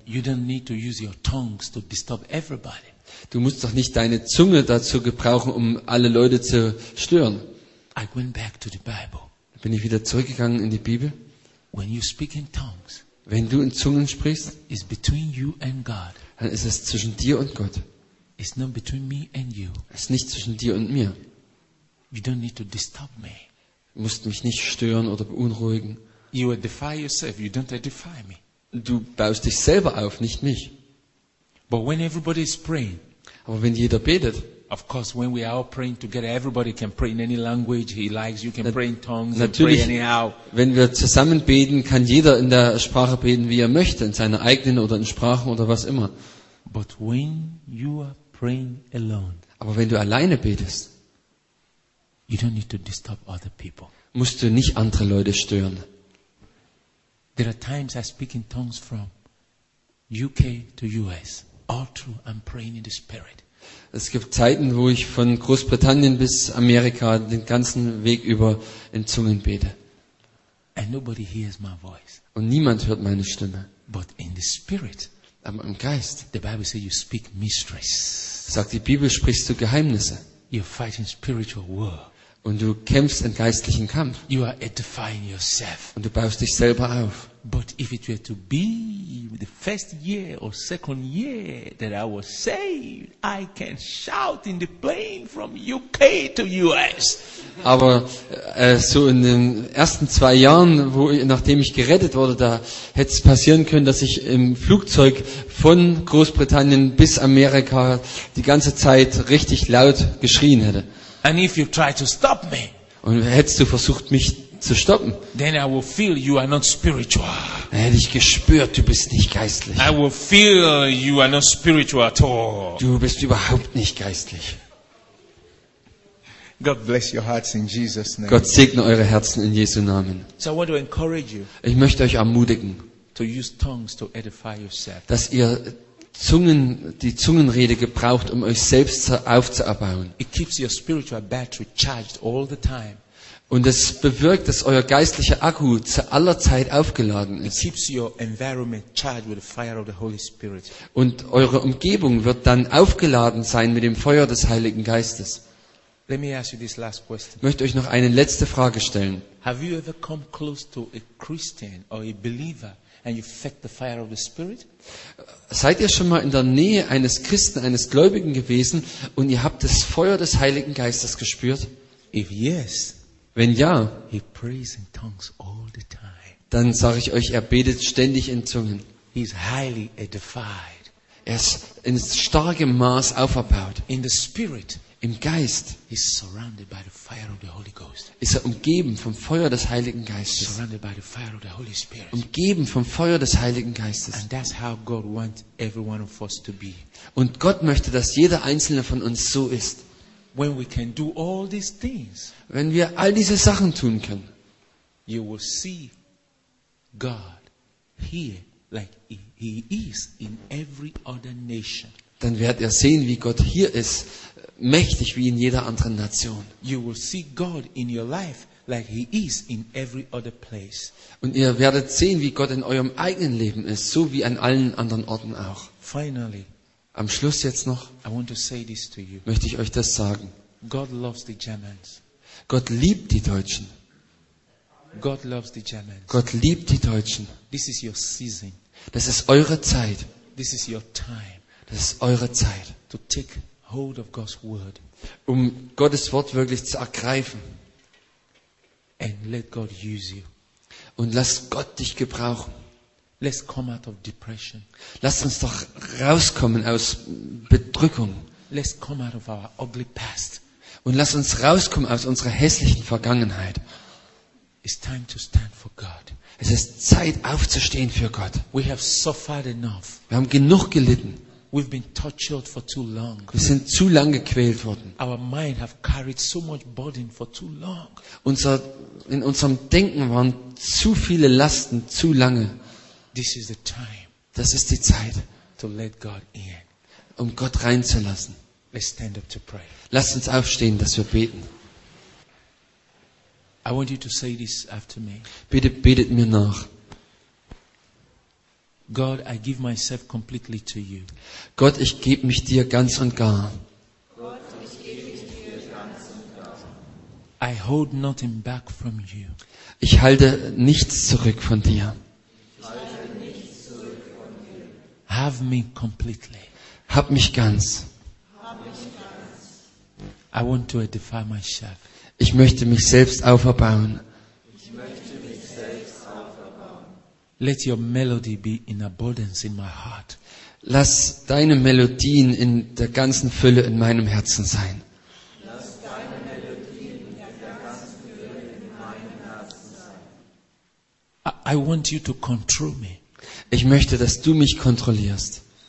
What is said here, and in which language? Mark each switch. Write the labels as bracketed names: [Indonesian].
[English] You don't need to use your tongues to disturb everybody. [German] Du musst doch nicht deine Zunge dazu gebrauchen, um alle Leute zu stören. [English] I went back to the Bible. [German] Bin ich wieder zurückgegangen in die Bibel? [English] When you speak in tongues, [German] wenn du in Zungen sprichst, [English] is between you and God. [German] Dann ist es zwischen dir und Gott. [English] It's not between me and you. [German] Es ist nicht zwischen dir und mir. [English] You don't need to disturb me. [German] Du musst mich nicht stören oder beunruhigen. [English] You edify yourself, you don't edify me. [German] Du baust dich selber auf, nicht mich. [English] But when everybody is praying, [German] aber wenn jeder betet, [English] of course, when we are all praying together, everybody can pray in any language he likes. You can pray in tongues and pray anyhow. [German] Wenn wir zusammen beten, kann jeder in der Sprache beten, wie er möchte, in seiner eigenen oder in Sprachen oder was immer. [English] But when you are praying alone, [German] aber wenn du alleine betest, [English] you don't need to disturb other people. [German] Musst du nicht andere Leute stören. [English] There are times I speak in tongues from UK to US, all through I'm praying in the Spirit. [German] Es gibt Zeiten, wo ich von Großbritannien bis Amerika den ganzen Weg über in Zungen bete. [English] And nobody hears my voice. [German] Und niemand hört meine Stimme. [English] But in the Spirit, [German] aber im Geist, [English] the Bible says you speak mysteries. [German] Sagt die Bibel, sprichst du Geheimnisse. [English] You're fighting spiritual war. [German] Und du kämpfst einen geistlichen Kampf. [English] You are edifying yourself. [German] Und du baust dich selber auf. [English] But if it were to be the first year or second year that I was saved, I can shout in the plane from UK to US. [German] Aber so in den ersten zwei Jahren, wo ich, nachdem ich gerettet wurde, da hätte es passieren können, dass ich im Flugzeug von Großbritannien bis Amerika die ganze Zeit richtig laut geschrien hätte. [English] And if you try to stop me, [German] und hättest du versucht, mich zu stoppen, [English] then I will feel you are not spiritual. [German] Dann hätte ich gespürt, du bist nicht geistlich. [English] I will feel you are not spiritual at all. [German] Du bist überhaupt nicht geistlich. [English] God bless your hearts in Jesus' name. [German] Gott segne eure Herzen in Jesu Namen. [English] So I want to encourage you, [German] ich möchte euch ermutigen, [English] to use tongues to edify yourself. [German] Dass ihr die Zungenrede gebraucht, um euch selbst aufzubauen. [English] It keeps your spiritual battery charged all the time. [German] Und es bewirkt, dass euer geistlicher Akku zu aller Zeit aufgeladen ist. [English] It keeps your environment charged with the fire of the Holy Spirit. [German] Und eure Umgebung wird dann aufgeladen sein mit dem Feuer des Heiligen Geistes. [English] Let me ask you this last question. [German] Ich möchte euch noch eine letzte Frage stellen. [English] Have you ever come close to a Christian or a believer? And you fed the fire of the Spirit? [German] Seid ihr schon mal in der Nähe eines Christen, eines Gläubigen gewesen und ihr habt das Feuer des Heiligen Geistes gespürt? [English] If yes, [German] wenn ja, [English] he prays in tongues all the time. [German] Dann sage ich euch, er betet ständig in Zungen. [English] He is highly edified. [German] Er ist in starkem Maß auferbaut. [English] In the Spirit, [German] im Geist, [English] he is surrounded by the fire of the Holy Ghost. [German] Ist er umgeben vom Feuer des Heiligen Geistes. [English] Surrounded by the fire of the Holy Spirit. [German] Umgeben vom Feuer des Heiligen Geistes. [English] And that's how God wants every one of us to be. [German] Und Gott möchte, dass jeder einzelne von uns so ist. [English] When we can do all these things, [German] wenn wir all diese Sachen tun können, [English] you will see God here like he is in every other nation. [German] Dann werdet ihr sehen, wie Gott hier ist, mächtig wie in jeder anderen Nation. [English] You will see God in your life like he is in every other place. [German] Und ihr werdet sehen, wie Gott in eurem eigenen Leben ist, so wie an allen anderen Orten auch. [English] Finally, [German] am Schluss jetzt noch, [English] I want to say this to you. [German] Möchte ich euch das sagen. [English] God loves the Germans. [German] Gott liebt die Deutschen. [English] God loves the Germans. [German] Gott liebt die Deutschen. [English] This is your season. [German] Das ist eure Zeit. [English] This is your time. [German] Das ist eure Zeit. [English] To take hold of God's word. [German] Um Gottes Wort wirklich zu ergreifen. [English] And let God use you. [German] Und lass Gott dich gebrauchen. [English] Let's come out of depression. [German] Lass uns doch rauskommen aus Bedrückung. [English] Let's come out of our ugly past. [German] Und lass uns rauskommen aus unserer hässlichen Vergangenheit. [English] It's time to stand for God. [German] Es ist Zeit aufzustehen für Gott. [English] We have suffered enough. [German] Wir haben genug gelitten. [English] We've been tortured for too long. [German] Wir sind zu lange gequält worden. [English] Our mind have carried so much burden for too long. [German] In unserem Denken waren zu viele Lasten zu lange. [English] This is the time. [German] Das ist die Zeit, [English] to let God in. [German] Um Gott reinzulassen. [English] Let's stand up to pray. [German] Lasst uns aufstehen, dass wir beten. [English] I want you to say this after me. [German] Bitte betet mir nach. [English] God, I give myself completely to you. [German] Gott, ich gebe mich dir ganz und gar. Gott, ich gebe mich dir ganz und gar. [English] I hold nothing back from you. [German] Ich halte nichts zurück von dir. [English] Have me completely. [German] Hab mich ganz. [English] I want to edify myself. [German] Ich möchte mich selbst auferbauen. Ich möchte mich selbst auferbauen. [English] Let your melody be in abundance in my heart. [German] Lass deine Melodien in der ganzen Fülle in meinem Herzen sein. Lass deine Melodien in der ganzen Fülle in meinem Herzen sein. [English] I want you to control me. [German] Ich möchte, dass du mich kontrollierst.